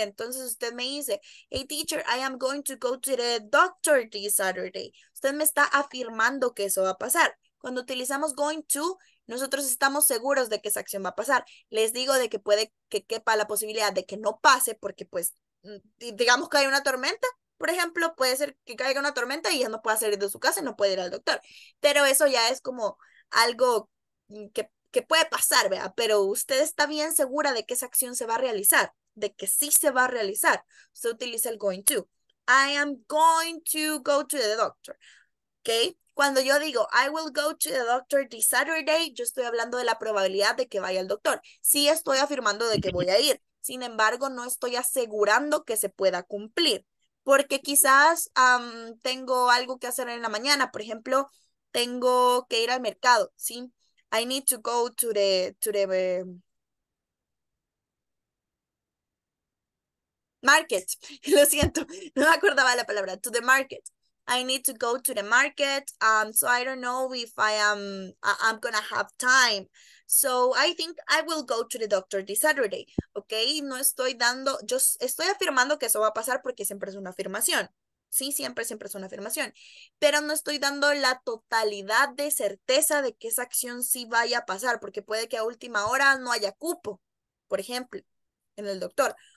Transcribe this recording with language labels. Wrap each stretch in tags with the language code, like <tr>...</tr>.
<es>Entonces usted me dice,</es> <en>hey teacher, I am going to go to the doctor this Saturday.</en> <es>Usted me está afirmando que eso va a pasar. Cuando utilizamos going to, nosotros estamos seguros de que esa acción va a pasar. Les digo de que puede que quepa la posibilidad de que no pase porque pues, digamos que hay una tormenta, por ejemplo, puede ser que caiga una tormenta y ya no pueda salir de su casa y no puede ir al doctor. Pero eso ya es como algo que puede pasar, ¿verdad? Pero usted está bien segura de que esa acción se va a realizar, de que sí se va a realizar. Usted utiliza el going to.</es> <en>I am going to go to the doctor.</en> <es>¿Ok? Cuando yo digo,</es> <en>I will go to the doctor this Saturday,</en> <es>yo estoy hablando de la probabilidad de que vaya al doctor. Sí estoy afirmando de que voy a ir. Sin embargo, no estoy asegurando que se pueda cumplir. Porque quizás tengo algo que hacer en la mañana. Por ejemplo, tengo que ir al mercado, ¿sí?</es> <en>I need to go to the market.</en> <es>Lo siento, no me acordaba la palabra.</es> <en>To the market. I need to go to the market. So I don't know if I'm gonna have time. So I think I will go to the doctor this Saturday.</en> <es>Okay, no estoy dando, yo estoy afirmando que eso va a pasar porque siempre es una afirmación. Sí, siempre, siempre es una afirmación. Pero no estoy dando la totalidad de certeza de que esa acción sí vaya a pasar, porque puede que a última hora no haya cupo, por ejemplo, en el doctor.</es>